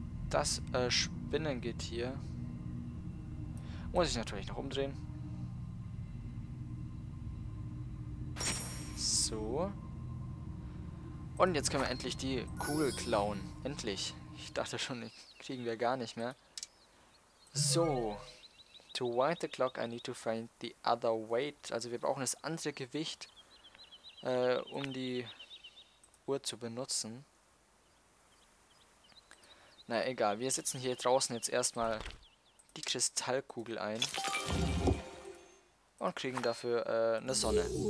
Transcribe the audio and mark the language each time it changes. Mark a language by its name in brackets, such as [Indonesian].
[German] Das Spinnen geht hier. Muss ich natürlich noch umdrehen. So. Und jetzt können wir endlich die Kugel klauen. Endlich. Ich dachte schon, die kriegen wir gar nicht mehr. So. [English] To wind the clock, I need to find the other weight. [German] Also wir brauchen das andere Gewicht, um die Uhr zu benutzen. Na egal, wir sitzen hier draußen jetzt erstmal die Kristallkugel ein und kriegen dafür eine Sonne.